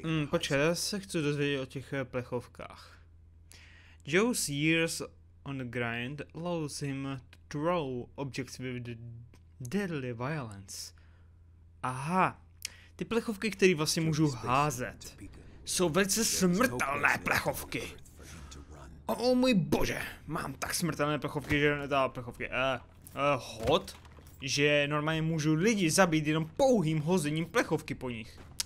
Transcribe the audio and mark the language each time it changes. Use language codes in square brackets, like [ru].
[cs] Počkej, já se chci dozvědět o těch plechovkách. [en] Joe's years on the grind allows him to throw objects with deadly violence. [cs] Aha, ty plechovky, které vlastně můžu házet, jsou velice smrtelné plechovky. O můj bože, mám tak smrtelné plechovky, že ne, plechovky, hod, že normálně můžu lidi zabít jenom pouhým hozením plechovky po nich.